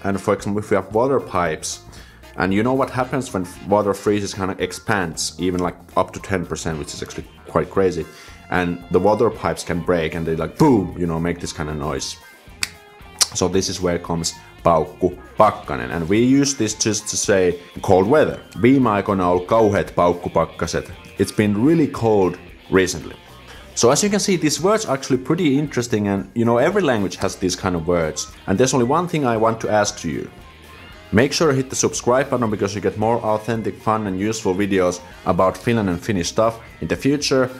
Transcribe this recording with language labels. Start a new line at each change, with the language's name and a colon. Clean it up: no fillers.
English: And for example, if you have water pipes, and you know what happens when water freezes, kind of expands even like up to 10%, which is actually quite crazy. And the water pipes can break and they like boom, you know, make this kind of noise. So this is where it comes paukku pakkanen. And we use this just to say cold weather.
Finnish: Viime aikoina ollut kauheat paukkupakkaset.
English: It's been really cold recently. So as you can see, these words are actually pretty interesting, and you know, every language has these kind of words. And there's only one thing I want to ask to you. Make sure to hit the subscribe button, because you get more authentic, fun and useful videos about Finland and Finnish stuff in the future.